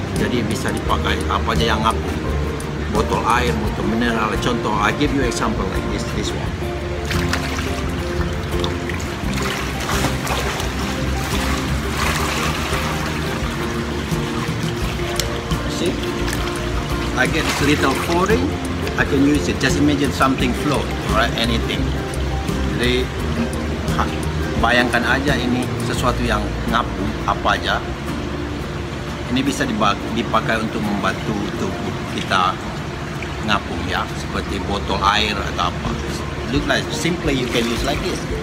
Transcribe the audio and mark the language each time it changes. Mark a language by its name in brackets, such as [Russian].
[Indonesian] Jadi bisa dipakai apa aja yang napo. Botol air, botol mineral. [English] Contoh, I give you example like this one. See, I get a little pouring, I can use it. Just imagine something float, right? Anything. [Indonesian] Jadi, bayangkan aja ini sesuatu yang ngapu, apa aja. Ini bisa dipakai untuk membantu tubuh kita ngapu ya, seperti botol air atau apa. [English] Look like simply you can use like this.